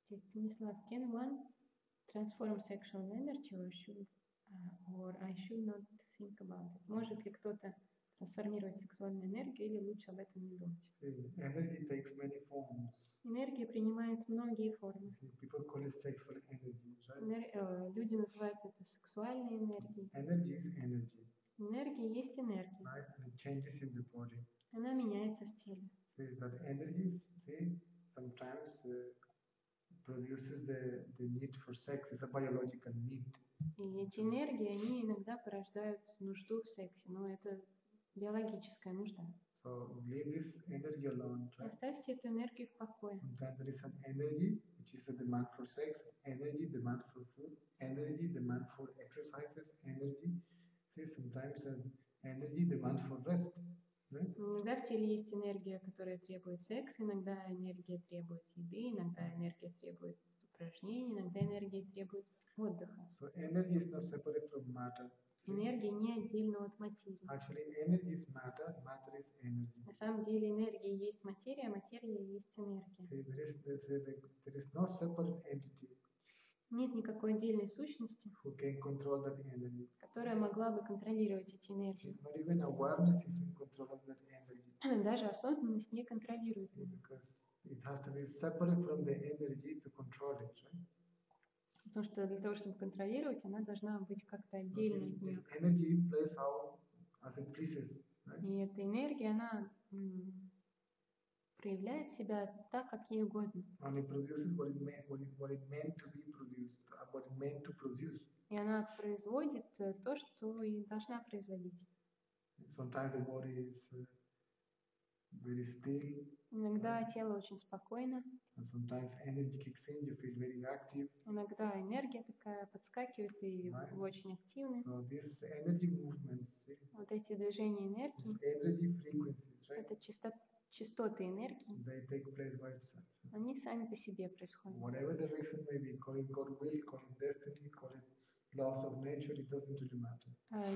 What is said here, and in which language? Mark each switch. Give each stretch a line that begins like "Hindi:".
English: Станислав, can one transform sexual energy or I should not think about it?
Russian: Может ли кто-то трансформировать сексуальную энергию или лучше об этом не думать.
English: Energy takes many forms.
Russian: Энергия принимает многие формы.
English: People call it sexual energy, right?
Russian: Люди называют это сексуальной энергией.
English: Energy is energy.
Russian: Энергия есть энергия.
English: Right? And it changes in the body.
Russian: Она меняется в теле.
English: See, but energy, see, sometimes produces the need for sex. It's a biological need.
Russian: И эти энергии, они иногда порождают нужду в сексе, но это биологическая нужда.
English: So leave this energy alone. Try.
Russian: Оставьте эту энергию в покое.
English: Sometimes there is an energy which is a demand for sex, energy demand for food, demand for exercises, energy, say sometimes energy demand for rest, right?
Russian: Иногда в теле есть энергия, которая требует секса, иногда энергия требует еды, иногда энергия требует упражнений, иногда энергия требует отдыха.
English: So energy is not separate from matter.
Russian: Энергия не отдельна от материи.
English: Actually, energy is matter, matter is energy.
Russian: На самом деле энергия есть материя, а материя есть энергия.
English: See, there is no separate entity.
Russian: Нет никакой отдельной сущности,
English: who can control that energy,
Russian: которая могла бы контролировать эти энергии.
English: See, but even awareness is in control of that energy.
Russian: Даже осознанность не контролирует.
English: See, because it has to be separate from the energy to control it, right?
Russian: Потому что для того, чтобы контролировать, она должна быть как-то отдельной.
English: So this energy plays out as it pleases, right?
Russian: И эта энергия, она проявляет себя так, как ей угодно.
English: And it produces what it meant to be produced, what it meant to produce.
Russian: И она производит то, что и должна производить.
English: Sometimes the body is very still.
Russian: Иногда тело очень спокойно.
English: And sometimes energy kicks in, you feel very active.
Russian: Иногда энергия такая подскакивает, и
English: right.
Russian: Вы очень активны.
English: So these energy movements, see?
Russian: Вот эти движения энергии,
English: energy frequencies, right?
Russian: Это частоты энергии,
English: they take place by itself.
Russian: Они сами по себе происходят.
English: Whatever the reason may be, call it God will, call it destiny, call it laws of nature, it doesn't really matter.